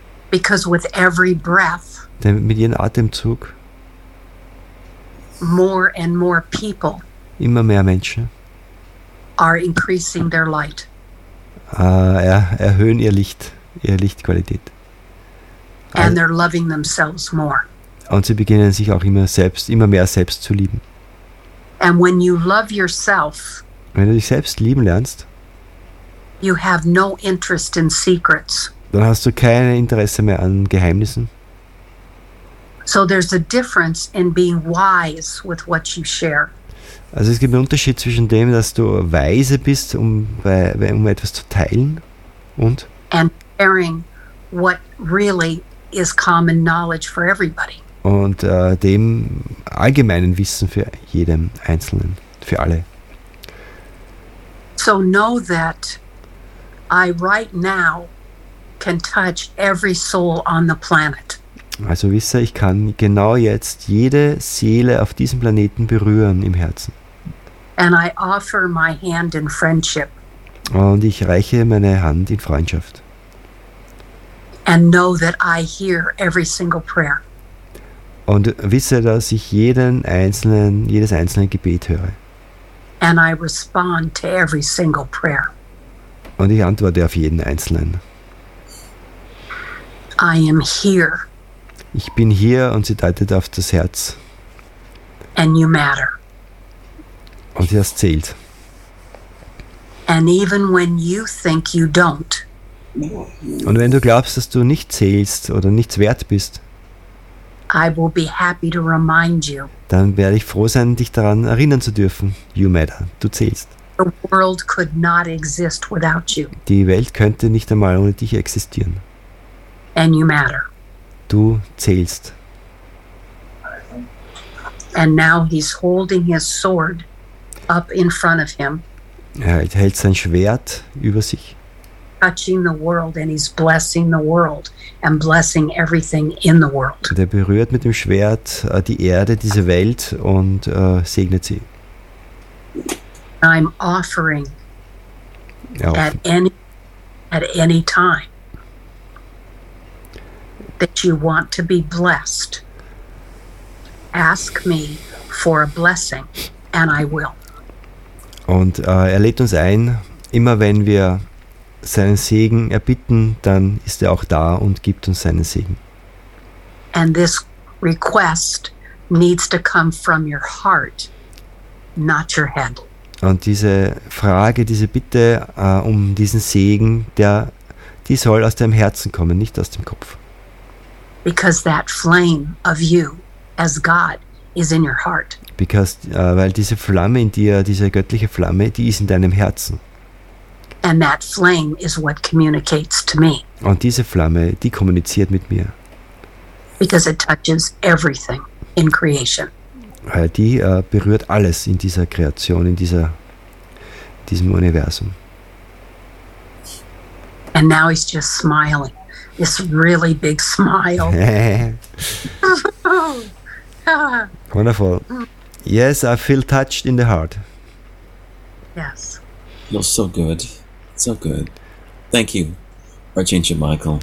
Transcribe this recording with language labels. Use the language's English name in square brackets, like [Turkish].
[English] Because with every breath, [German] denn mit jedem Atemzug, [English] more and more people, [German] immer mehr Menschen, [English] are increasing their light. [German] Erhöhen ihr Licht, ihre Lichtqualität. [English] And they're loving themselves more. [German] Und sie beginnen sich auch immer mehr selbst zu lieben. [English] And when you love yourself, [German] wenn du dich selbst lieben lernst, [English] you have no interest in secrets. [German] Dann hast du kein Interesse mehr an Geheimnissen. [English] So there's a difference in being wise with what you share. [German] Also es gibt einen Unterschied zwischen dem, dass du weise bist, um etwas zu teilen, und [English] sharing what really is common knowledge for everybody. [German] Und dem allgemeinen Wissen für jeden Einzelnen, für alle. [English] So know that I right now can touch every soul on the planet. [German] Also wisse, ich kann genau jetzt jede Seele auf diesem Planeten berühren im Herzen. [English] And I offer my hand in friendship. [German] Und ich reiche meine Hand in Freundschaft. [English] And know that I hear every single prayer. [German] Und wisse, dass ich jedes einzelne Gebet höre. [English] And I respond to every single prayer. [German] Und ich antworte auf jeden einzelnen. [English] I am here. [German] Ich bin hier, und sie deutet auf das Herz. [English] And you matter. [German] Und das zählt. [English] And even when you think you don't. [German] Und wenn du glaubst, dass du nicht zählst oder nichts wert bist, [English] I will be happy to remind you. [German] Dann werde ich froh sein, dich daran erinnern zu dürfen. [English] You matter. [German] Du zählst. [English] The world could not exist without you. [German] Die Welt könnte nicht einmal ohne dich existieren. [English] And you matter. [German] Du zählst. [English] And now he's holding his sword up in front of him. [German] Er hält sein Schwert über sich. [English] Touching the world, and he's blessing the world and blessing everything in the world. [German] Und er berührt mit dem Schwert die Erde, diese Welt, und segnet sie. [English] I'm offering at any time that you want to be blessed. Ask me for a blessing, and I will. [German] Und er lädt uns ein, immer wenn wir seinen Segen erbitten, dann ist er auch da und gibt uns seinen Segen. [English] And this request needs to come from your heart, not your head. [German] Und diese Frage, diese Bitte um diesen Segen, die soll aus deinem Herzen kommen, nicht aus dem Kopf. [English] Because that flame of you as God is in your heart. [German] Weil diese Flamme in dir, diese göttliche Flamme, die ist in deinem Herzen. [English] And that flame is what communicates to me. [German] Und diese Flamme, die kommuniziert mit mir. [English] Because it touches everything in creation. [German] Weil die berührt alles in dieser Kreation, in diesem Universum. [English] And now he's just smiling. This really big smile. Wonderful. Yes, I feel touched in the heart. Yes. You're so good. So good. Thank you, Archangel Michael.